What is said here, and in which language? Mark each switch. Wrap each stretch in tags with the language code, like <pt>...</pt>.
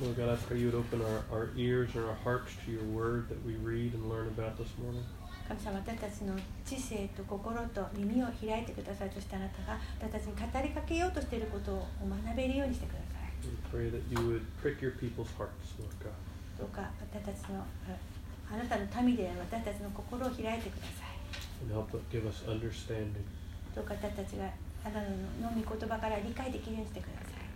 <en>Lord God, I pray you would open our ears and our hearts to your word that we read and learn about this morning.</en> <ja>神様、私たちの知性と心と耳を開いてください。そしてあなたが私たちに語りかけようとしていることを学べるようにしてください。</ja> <en>Pray that you would prick your people's hearts, Lord God.</en> <ja>どうか私たちのあなたの民で私たちの心を開いてください。</ja> <en>And help give us understanding.</en> <ja>どうか私たちがあなたの御言葉から理解できるようにしてください。</ja>